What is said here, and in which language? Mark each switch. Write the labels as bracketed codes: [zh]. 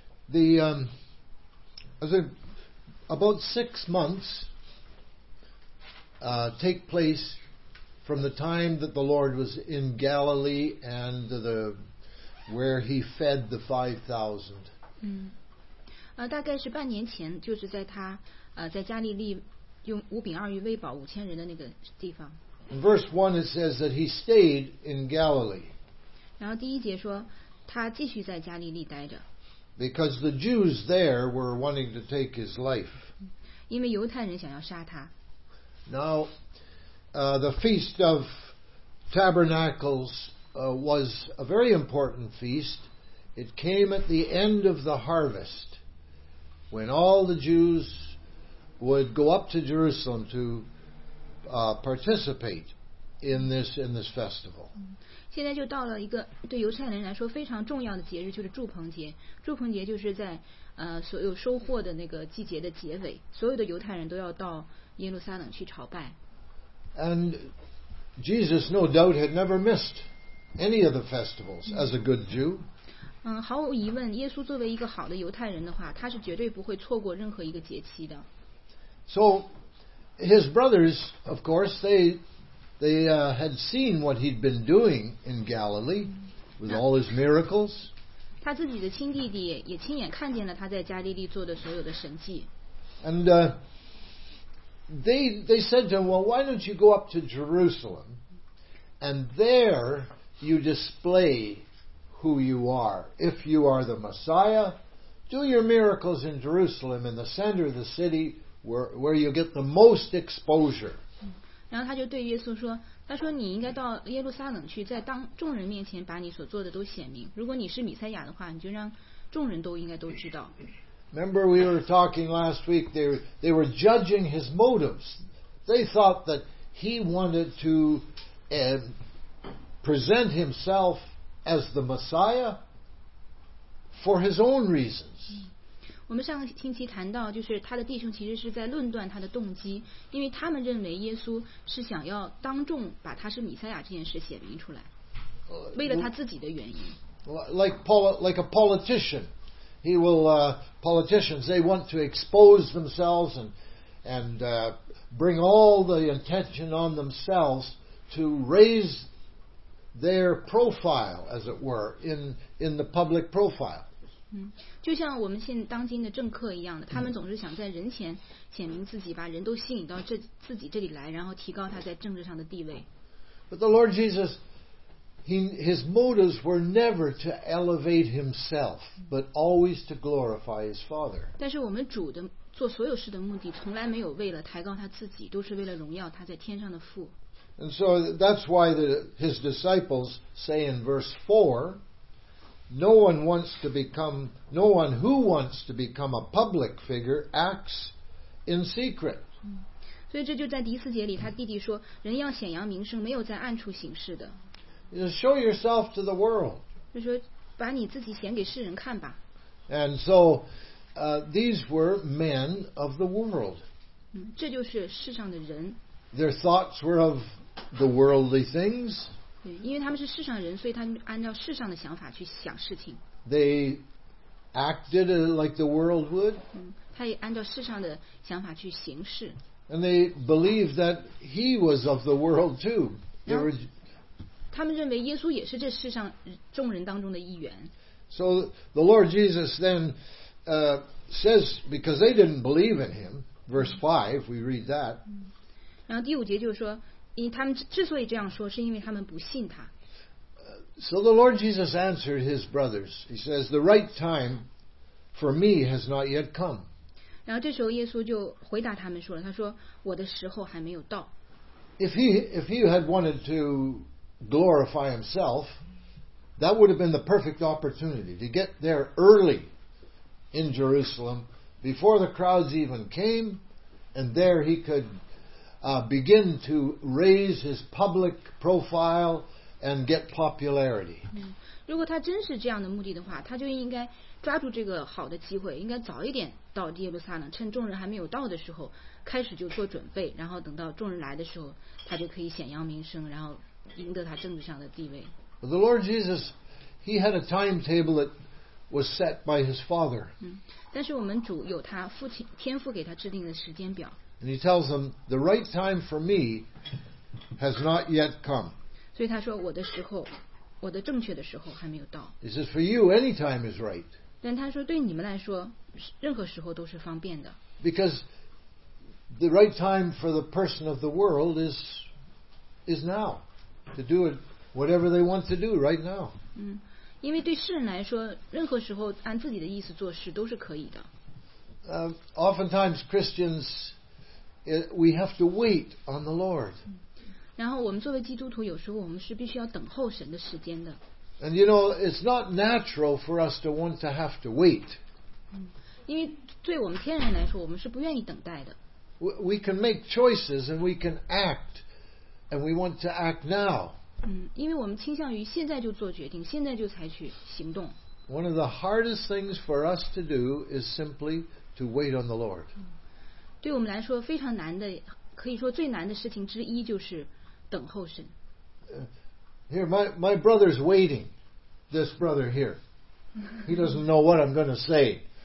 [en] The about 6 months take place from the time that the Lord was in Galilee and the where he fed the 5,000. [zh] 大概是半年前，就是在他在加利利用五饼二鱼喂饱五千人的那个地方。 [en] In verse 1 it says that he stayed in Galilee. [zh] 然后第一节说他继续在加利利待着。 [en] Because the Jews there were wanting to take his life. [zh] 因为犹太人想要杀他。 [en] Now, the Feast of Tabernacles was a very important feast. It came at the end of the harvest, when all the Jews would go up to Jerusalem to participate in this festival. [zh] 现在就到了一个对犹太人来说非常重要的节日，就是祝棚节。祝棚节就是在所有收获的那个季节的结尾，所有的犹太人都要到耶路撒冷去朝拜。 [en] And Jesus, no doubt, had never missed any of the festivals as a good Jew. [zh] 毫无疑问，耶稣作为一个好的犹太人的话，他是绝对不会错过任何一个节期的。 [en] So his brothers, of course, they had seen what he'd been doing in Galilee with all his miracles. [zh] 他自己的亲弟弟也亲眼看见了他在加利利做的所有的神迹。 [en] And they said to him, well, why don't you go up to Jerusalem and there you display who you are. If you are the Messiah, do your miracles in Jerusalem in the center of the city where you get the most exposure. [zh] 然后他就对耶稣说，他说你应该到耶路撒冷去，在当众人面前把你所做的都显明，如果你是弥赛亚的话，你就让众人都应该都知道。 [en] Remember we were talking last week, they were judging his motives. They thought that he wanted to present himself as the Messiah for his own reasons. [zh] 我们上个星期谈到，就是他的弟兄其实是在论断他的动机，因为他们认为耶稣是想要当众把他是弥赛亚这件事显明出来，为了他自己的原因。 [en] Like a politician. He will, politicians, they want to expose themselves and bring all the attention on themselves to raise their profile, as it were, in the public profile. [zh] 就像我们现当今的政客一样的，他们总是想在人前显明自己，把人都吸引到自己这里来，然后提高他在政治上的地位。 [en] But the Lord Jesus, his motives were never to elevate himself, but always to glorify his Father. [zh] 但是我们主的做所有事的目的从来没有为了抬高他自己，都是为了荣耀他在天上的父。 [en] And so that's why his disciples say in verse 4, no one who wants to become a public figure acts in secret. [zh] 所以这就在第四节里，他弟弟说，人要显扬名声，没有在暗处行事的。 [en] Show yourself to the world. [zh] 就说把你自己显给世人看吧。 [en] And so, these were men of the world. [zh] 这就是世上的人。 [en] Their thoughts were of the worldly things. [zh] 对，因为他们是世上人，所以他们按照世上的想法去想事情。 [en] They acted like the world would. [zh] 他也按照世上的想法去行事。 [en] And they believed that he was of the world too. They were. [zh] 他们认为耶稣也是这世上众人当中的一员。 [en] So the Lord Jesus then says, because they didn't believe in him, verse 5, we read that. [zh] 然后第五节就是说。因为他们之所以这样说，是因为他们不信他。 [en] So the Lord Jesus answered his brothers. He says, "The right time for me has not yet come." [zh] 然后这时候耶稣就回答他们说了，他说：“我的时候还没有到。 [en] ”If he had wanted to glorify himself, that would have been the perfect opportunity to get there early in Jerusalem before the crowds even came, and there he could. Begin to raise his public profile and get popularity. [zh] 如果他真是这样的目的的话，他就应该抓住这个好的机会，应该早一点到耶路撒冷，趁众人还没有到的时候开始就做准备，然后等到众人来的时候，他就可以显扬名声，然后赢得他政治上的地位。 [en] But the Lord Jesus, he had a timetable that was set by his Father. [zh] 但是我们主有他父亲天父给他制定的时间表。 [en] And he tells them, the right time for me has not yet come. [zh] 所以他说我的时候，我的正确的时候还没有到。 [en] He says, for you, any time is right. [zh] 但他说对你们来说，任何时候都是方便的。 [en] Because the right time for the person of the world is now. To do it, whatever they want to do right now. [zh] 因为对世人来说，任何时候按自己的意思做事都是可以的。 [en] Oftentimes Christians... we have to wait on the Lord. [zh] 然后我们作为基督徒，有时候我们是必须要等候神的时间的。 [en] And you know, it's not natural for us to want to have to wait. [zh] 因为对我们天然来说，我们是不愿意等待的。 [en] We can make choices and we can act, and we want to act now. [zh] 因为我们倾向于现在就做决定，现在就采取行动。 [en] One of the hardest things for us to do is simply to wait on the Lord. [zh] 对我们来说非常难的，可以说最难的事情之一就是等候神。 [en] Here, my brother's waiting. This brother here, he doesn't know what I'm going to say.